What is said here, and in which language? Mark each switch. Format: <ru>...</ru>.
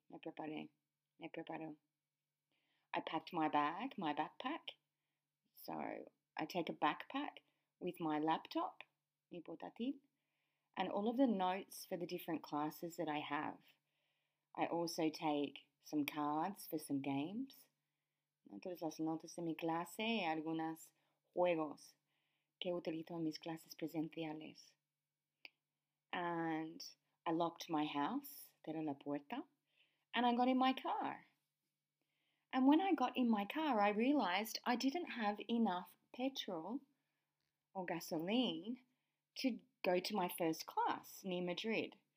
<es>Me preparé, me preparo.</es> <en>I packed my bag, my backpack. So I take a backpack with my laptop,</en> <es>mi portátil,</es> <en>and all of the notes for the different classes that I have. I also take some cards for some games.</en> <es>Entonces las notas de mi clase y algunos juegos que utilizo en mis clases presenciales.</es> <en>And I locked my house,</en> <es>cerré la puerta,</es> <en>and I got in my car. And when I got in my car, I realized I didn't have enough petrol or gasoline to go to my first class near Madrid.</en>